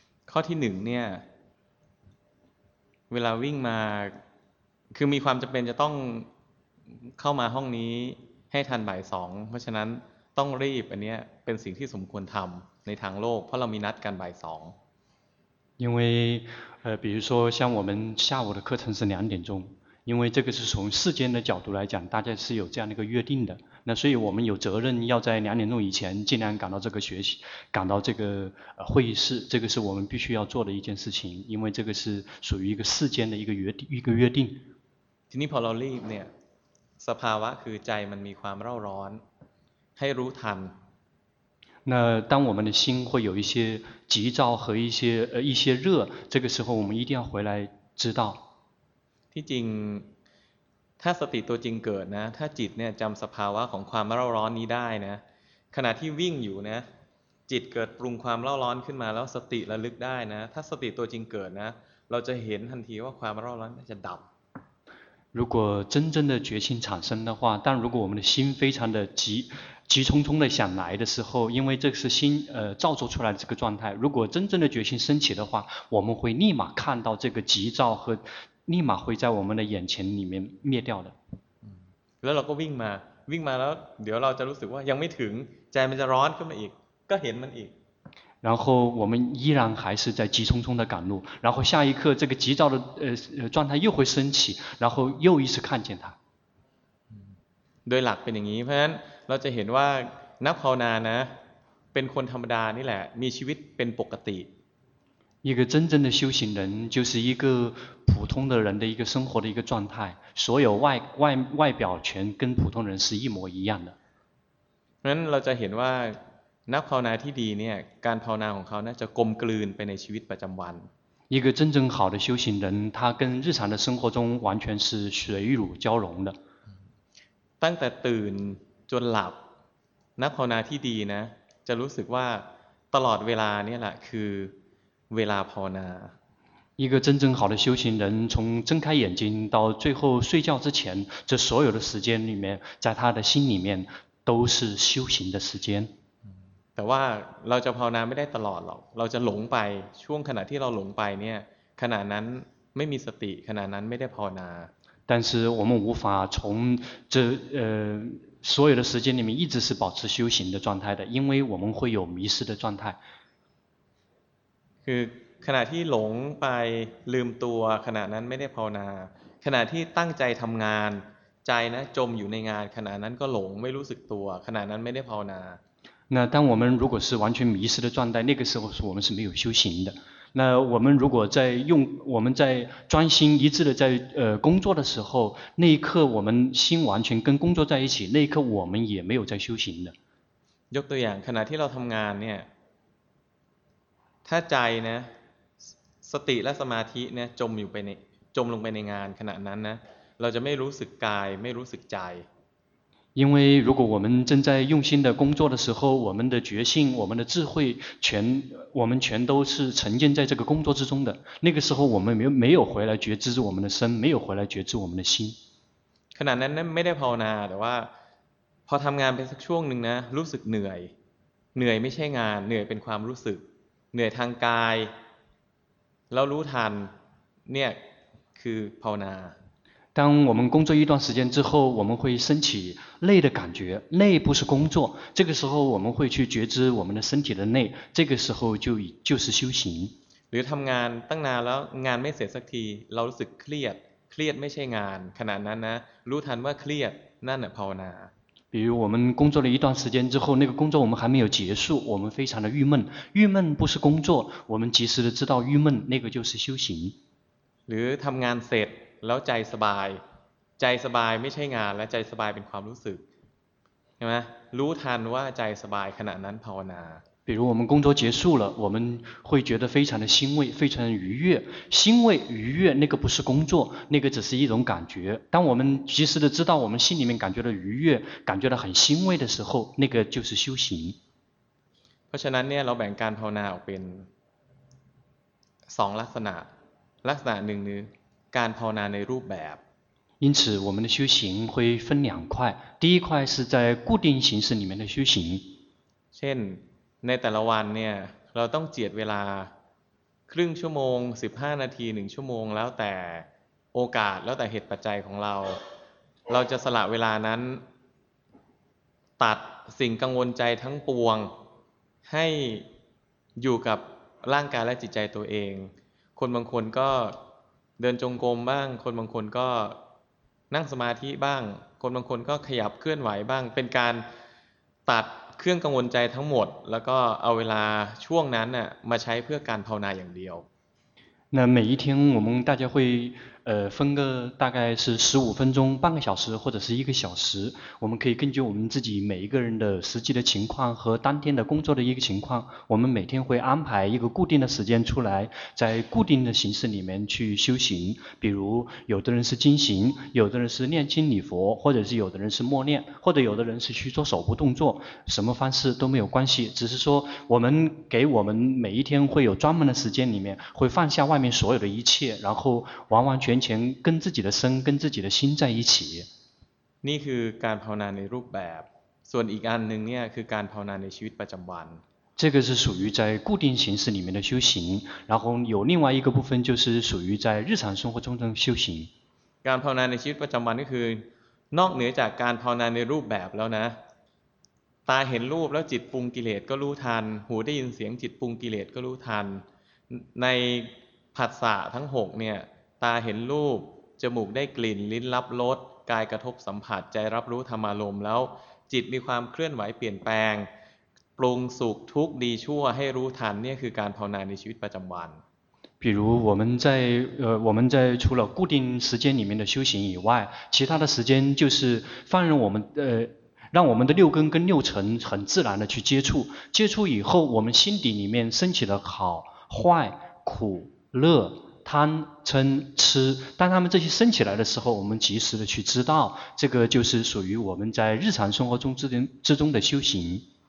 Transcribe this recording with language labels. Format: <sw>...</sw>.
<th>ข้อที่หนึ่งเนี่ยเวลาวิ่งมาคือมีความจำเป็นจะต้องเข้ามาห้องนี้ให้ทันบ่ายสองเพราะฉะนั้นต้องรีบอันเนี้ยเป็นสิ่งที่สมควรทำในทางโลกเพราะเรามีนัดกันบ่ายสอง</th> <zh>因为比如说像我们下午的课程是两点钟因为这个是从世间的角度来讲大家是有这样的一个约定的那所以我们有责任要在两点钟以前尽量赶到这个学习赶到这个会议室这个是我们必须要做的一件事情因为这个是属于一个世间的一个约定</zh> <th>ทีนี้พอเรารีบเนี่ยสภาวะคือใจมันมีความเร่าร้อนให้รู้ทัน</th> <zh>那当我们的心会有一些急躁和一些热这个时候我们一定要回来知道</zh> <th>ที่จริงถ้าสติตัวจริงเกิดนะถ้าจิตเนี่ยจำสภาวะของความเร่าร้อนนี้ได้นะขณะที่วิ่งอยู่นะจิตเกิดปรุงความเร่าร้อนขึ้นมาแล้วสติระลึกได้นะถ้าสติตัวจริงเกิดนะเราจะเห็นทันทีว่าความเร่าร้อนจะดับ</th> <zh>如果真正的决心产生的话但如果我们的心非常的急匆匆的想来的时候因为这是心造作出来的这个状态如果真正的决心升起的话我们会立马看到这个急躁和立马会在我们的眼前里面灭掉的。</zh> <th>แล้วเราก็วิ่งมาแล้วเดี๋ยวเราจะรู้สึกว่ายังไม่ถึงใจมันจะร้อนขึ้นมาอีกก็เห็นมันอีก</th> <zh>然后我们依然还是在急匆匆的赶路然后下一刻这个急躁的状态又会升起然后又一次看见它。</zh> <th>โดยหลักเป็นอย่างนี้เพราะฉะนั้นเราจะเห็นว่านักภาวนานะเป็นคนธรรมดานี่แหละมีชีวิตเป็นปกติ</th> <zh>一个真正的修行人就是一个普通的人的一个生活的一个状态所有 外表全跟普通人是一模一样的</zh> <th>งั้นเราจะเห็นว่านักภาวนาที่ดีเนี่ยการภาวนาของเขาน่าจะกลมกลืนไปในชีวิตประจำวัน</th> <zh>一个真正好的修行人他跟日常的生活中完全是水乳交融的</zh> <th>ตั้งแต่ตื่นจนหลับนักภาวนาที่ดีนะจะรู้สึกว่าตลอดเวลาเนี่ยแหละคือเวลาภาวนา</th> <zh>一个真正好的修行人从睁开眼睛到最后睡觉之前这所有的时间里面在他的心里面都是修行的时间</zh> <th>แต่ว่าเราจะภาวนาไม่ได้ตลอดหรอกเราจะหลงไปช่วงขณะที่เราหลงไปเนี่ยขณะนั้นไม่มีสติขณะนั้นไม่ได้ภาวนา</th> <zh>但是我们无法从这所有的时间里面一直是保持修行的状态的，因为我们会有迷失的状态。</zh> <th>คือขณะที่หลงไปลืมตัวขณะนั้นไม่ได้ภาวนาขณะที่ตั้งใจทำงานใจนะจมอยู่ในงานขณะนั้นก็หลงไม่รู้สึกตัวขณะนั้นไม่ได้ภาวนา</th> <zh>那当我们如果是完全迷失的状态，那个时候是我们是没有修行的。那我们如果在用我们在专心一致的在工作的时候，那一刻我们心完全跟工作在一起，那一刻我们也没有在修行的。</zh> <th>ยกตัวอย่างขณะที่เราทำงานเนี่ยถ้าใจนะสติและสมาธิเนี่ยจมอยู่ไปในจมลงไปในงานขณะนั้นนะเราจะไม่รู้สึกกายไม่รู้สึกใจ</th> <zh>因为如果我们正在用心的工作的时候，我们的觉性、我们的智慧，我们全都是沉浸在这个工作之中的。那个时候，我们没有回来觉知我们的身，没有回来觉知我们的心。</zh> <th>ขณะนั้นไม่ได้ภาวนาแต่ว่าพอทำงานไปสักช่วงหนึ่งนะรู้สึกเหนื่อยเหนื่อยไม่ใช่งานเหนื่อยเป็นความรู้สึกเหนื่อยทางกายแล้วรู้ทันเนี่ยคือภาวนา</th> <zh>当我们工作一段时间之后，我们会升起累的感觉，累不是工作，这个时候我们会去觉知我们的身体的累，这个时候就是修行。</zh> <th>หรือทำงานตั้งนานแล้วงานไม่เสร็จสักทีเรารู้สึกเครียดเครียดไม่ใช่งานขณะนั้นนะรู้ทันว่าเครียดนั่นแหละภาวนา</th> <zh>比如我们工作了一段时间之后，那个工作我们还没有结束，我们非常的郁闷，郁闷不是工作，我们及时的知道郁闷，那个就是修行。</zh> <th>หรือทำงานเสร็จแล้วใจสบายใจสบายไม่ใช่งานและใจสบายเป็นความรู้สึกใช่ไหมรู้ทันว่าใจสบายขณะนั้นภาวนา</th> <zh>比如我们工作结束了，我们会觉得非常的欣慰，非常愉悦。欣慰愉悦那个不是工作，那个只是一种感觉。当我们及时的知道我们心里面感觉的愉悦，感觉的很欣慰的时候，那个就是修行。</zh> <th>เพราะฉะนั้นเนี่ยเราแบ่งการภาวนาออกเป็นสองลักษณะลักษณะหนึ่งนึงการภาวนาในรูปแบบ</th> <zh>因此我们的修行会分两块第一块是在固定形式里面的修行</zh> <th>เช่นในแต่ละวันเนี่ยเราต้องเจียดเวลาครึ่งชั่วโมง15นาที1ชั่วโมงแล้วแต่โอกาสแล้วแต่เหตุปัจจัยของเราเราจะสละเวลานั้น ตัดสิ่งกังวลใจทั้งปวงให้อยู่กับร่างกายและจิตใจตัวเองคนบางคนก็เดินจงกรมบ้างคนบางคนก็นั่งสมาธิบ้างคนบางคนก็ขยับเคลื่อนไหวบ้างเป็นการตัดเครื่องกังวลใจทั้งหมดแล้วก็เอาเวลาช่วงนั้นน่ะมาใช้เพื่อการภาวนาอย่างเดียว</th> <zh>那每一天我们大家会分个大概是15分钟半个小时或者是一个小时我们可以根据我们自己每一个人的实际的情况和当天的工作的一个情况我们每天会安排一个固定的时间出来在固定的形式里面去修行比如有的人是精行有的人是念经礼佛或者是有的人是默念或者有的人是去做手部动作什么方式都没有关系只是说我们给我们每一天会有专门的时间里面会放下外面所有的一切然后完完全全跟自己的身跟自己的心在一起</zh> <th>นี่คือการภาวนาในรูปแบบส่วนอีกอันนึงเนี่ยคือการภาวนาในชีวิตประจำวัน</th> <zh>这个是属于在固定形式里面的修行然后有另外一个部分就是属于在日常生活中的修行</zh> <th>การภาวนาในชีวิตประจำวันก็คือนอกเหนือจากการภาวนาในรูปแบบแล้วนะตาเห็นรูปแล้วจิตปรุงกิเลสก็รู้ทันหูได้ยินเสียงจิตปรุงกิเลสก็รู้ทันในผัสสะทั้ง6เนี่ยตาเห็นรูปจมูกได้กลิ่นลิ้นรับรสกายกระทบสัมผัสใจรับรู้ธรรมารมณ์แล้วจิตมีความเคลื่อนไหวเปลี่ยนแปลงปรุงสุขทุกข์ดีชั่วให้รู้ทันเนี่ยคือการภาวนาในชีวิตประจำวัน</th> <zh>比如我们在除了固定时间里面的修行以外其他的时间就是放任我们让我们的六根跟六尘很自然的去接触接触以后我们心底里面升起了好坏苦乐贪嗔痴当他们这些升起来的时候我们及时的去知道这个就是属于我们在日常生活中之中的修行</zh>